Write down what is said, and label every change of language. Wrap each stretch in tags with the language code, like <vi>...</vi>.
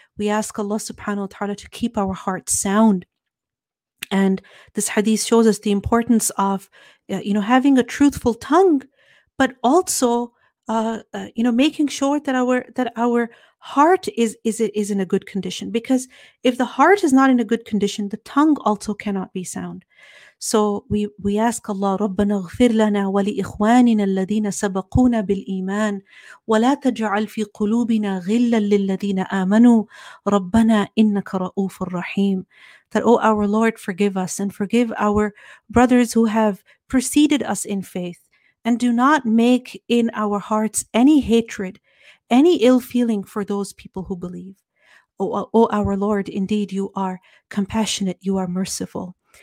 <en>We ask Allah subhanahu wa ta'ala to keep our heart sound. And this hadith shows us the importance of, having a truthful tongue, but also, making sure that our heart is in a good condition. Because if the heart is not in a good condition, the tongue also cannot be sound. So we ask Allah,</en> <ar>رَبَّنَا اغْفِرْ لَنَا وَلِإِخْوَانِنَا الَّذِينَ سَبَقُونَا بِالْإِيمَانِ وَلَا تَجْعَلْ فِي قُلُوبِنَا غِلًّا لِلَّذِينَ آمَنُوا رَبَّنَا إِنَّكَ رَؤُوفٌ رَحِيمٌ.</ar> <en>That, O our Lord, forgive us and forgive our brothers who have preceded us in faith, and do not make in our hearts any hatred, any ill feeling for those people who believe. O our Lord, indeed you are compassionate, you are merciful.</en>